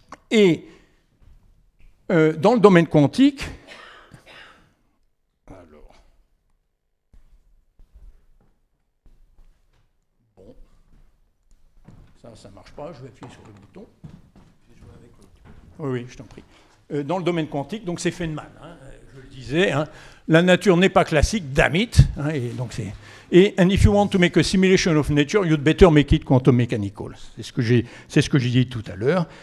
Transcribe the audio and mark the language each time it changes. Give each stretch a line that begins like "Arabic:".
French: Et dans le domaine quantique, alors, bon, ça marche pas, je vais appuyer sur le bouton. Oui, je t'en prie. Dans le domaine quantique, donc c'est Feynman, hein, je le disais, hein, la nature n'est pas classique,
English: damn it,
French: hein, et donc c'est...
English: Et and if you want to make a simulation of nature, you'd better make it quantum mechanical.
French: C'est ce que j'ai dit tout à l'heure.